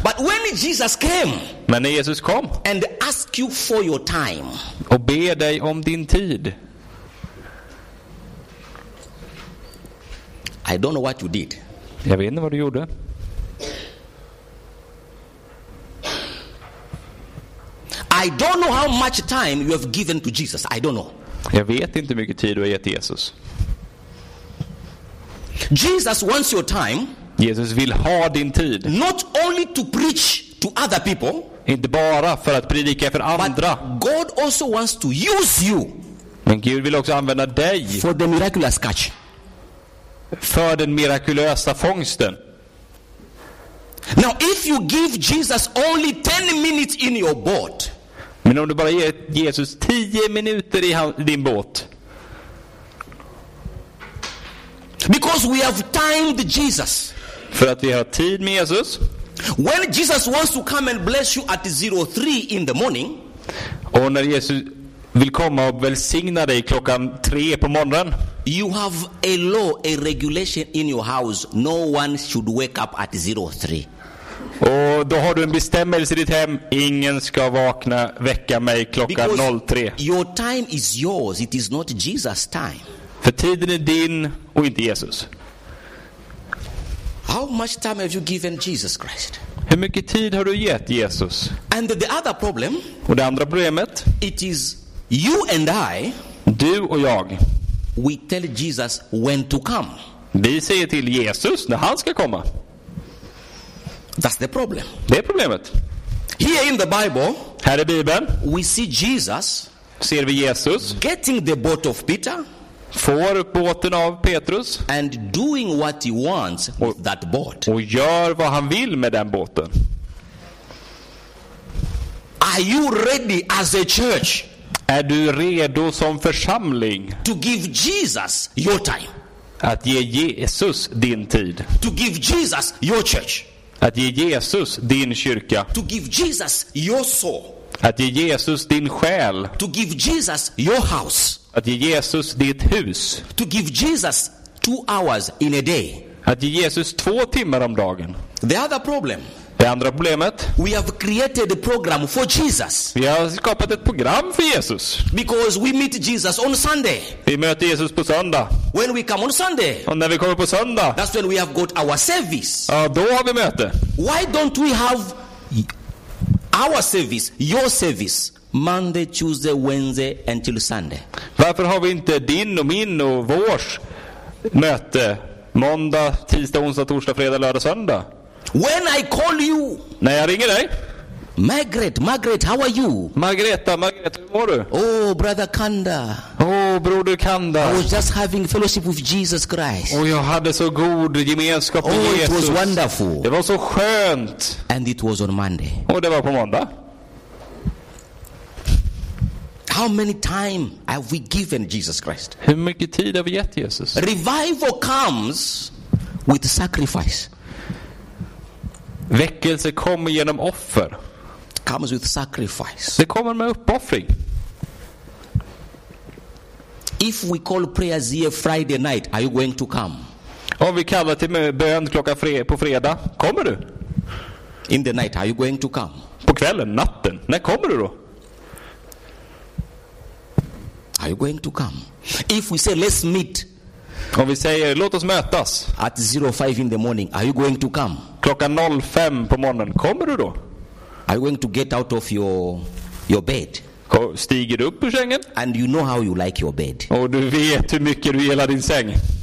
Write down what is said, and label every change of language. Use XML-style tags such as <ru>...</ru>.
<en>But when Jesus came,</en> <sv>men när Jesus kom,</sv> <en>and ask you for your time,</en> <sv>och ber dig om din tid.</sv> <en>I don't know what you did.</en> <sv>Jag vet inte vad du gjorde.</sv> <en>I don't know how much time you have given to Jesus. I don't know.</en> <sv>Jag vet inte hur mycket tid du har gett Jesus.</sv> <en>Jesus wants your time.</en> <sv>Jesus vill ha din tid.</sv> <en>Not only to preach to other people.</en> <sv>Inte bara för att predika för andra.</sv> <en>But God also wants to use you.</en> <sv>Men Gud vill också använda dig.</sv> <en>For the miraculous catch.</en> <sv>För den mirakulösa fångsten.</sv> <en>Now if you give Jesus only 10 minutes in your boat.</en> <sv>Men om du bara ger Jesus 10 minuter i din båt.</sv> <en>Because we have timed Jesus.</en> <sv>För att vi har tid med Jesus.</sv> <en>When Jesus wants to come and bless you at 03 in the morning.</en> <sv>Och när Jesus vill komma och välsigna dig klockan 3 på morgonen.</sv> <en>You have a law, a regulation in your house. No one should wake up at 03.</en> <sv>Och då har du en bestämmelse i ditt hem. Ingen ska vakna, väcka mig klockan 03.</sv> <en>Your time is yours, it is not Jesus' time.</en> <sv>För tiden är din och inte Jesus.</sv> <en>How much time have you given Jesus Christ?</en> <sv>Hur mycket tid har du gett Jesus?</sv> <en>And the other problem,</en> <sv>och det andra problemet,</sv> <en>it is you and I,</en> <sv>du och jag,</sv> <en>we tell Jesus when to come.</en> <sv>Vi säger till Jesus när han ska komma.</sv> <en>That's the problem.</en> <sv>Det är problemet.</sv> <en>Here in the Bible,</en> <sv>här i Bibeln,</sv> <en>we see Jesus,</en> <sv>ser vi Jesus,</sv> <en>getting the boat of Peter,</en> <sv>får båten av Petrus,</sv> <en>and doing what he wants with that boat.</en> <sv>Och gör vad han vill med den båten.</sv> <en>Are you ready as a church?</en> <sv>Är du redo som församling?</sv> <en>To give Jesus your time.</en> <sv>Att ge Jesus din tid.</sv> <en>To give Jesus your church.</en> <sv>Att ge Jesus din kyrka.</sv> <en>To give Jesus your soul.</en> <sv>Att ge Jesus din själ.</sv> <en>To give Jesus your house.</en> <sv>Att ge Jesus ditt hus.</sv> <en>To give Jesus 2 hours in a day.</en> <sv>Att ge Jesus 2 timmar om dagen.</sv> <en>The other problem.</en> <sv>Det andra problemet.</sv> <en>We have created a program for Jesus.</en> <sv>Vi har skapat ett program för Jesus.</sv> <en>Because we meet Jesus on Sunday.</en> <sv>Vi möter Jesus på söndag.</sv> <en>When we come on Sunday.</en> <sv>Och när vi kommer på söndag.</sv> <en>That's when we have got our service.</en> <sv>Ja, då har vi möte.</sv> <en>Why don't we have our service, your service, Monday, Tuesday, Wednesday until Sunday.</en> <sv>Varför har vi inte din och min och vårs möte måndag, tisdag, onsdag, torsdag, fredag, lördag, söndag?</sv> <en>When I call you.</en> <sv>När jag ringer dig.</sv> <en>Margaret, how are you?</en> <sv>Margareta, hur mår du?</sv> <en>Oh, brother Kanda.</en> <sv>Oh, broder Kanda.</sv> <en>I was just having fellowship with Jesus Christ.</en> <sv>Oh, jag hade så god gemenskap med Jesus.</sv> <en>Oh, it was wonderful.</en> <sv>Det var så skönt.</sv> <en>And it was on Monday.</en> <sv>Och det var på måndag.</sv> <en>How many time have we given Jesus Christ?</en> <sv>Hur mycket tid har vi gett Jesus?</sv> <en>Revival comes with sacrifice.</en> <sv>Väckelse kommer genom offer.</sv> <en>Comes with sacrifice.</en> <sv>Det kommer med uppoffring.</sv> <en>If we call prayers here Friday night, are you going to come?</en> <sv>Om vi kallar till bön klockan på fredag, kommer du?</sv> <en>In the night, are you going to come?</en> <sv>På kvällen, natten, när kommer du då?</sv> <en>Are you going to come? If we say let's meet.</en> <sv>Om vi säger låt oss mötas.</sv> <en>At 05 in the morning, are you going to come?</en> <sv>Klockan 05 på morgonen, kommer du då?</sv> <en>Are you going to get out of your bed?</en> <sv>Stiger du upp ur sängen?</sv> <en>And you know how you like your bed.</en> <sv>Och du vet hur mycket du gillar din säng.</sv>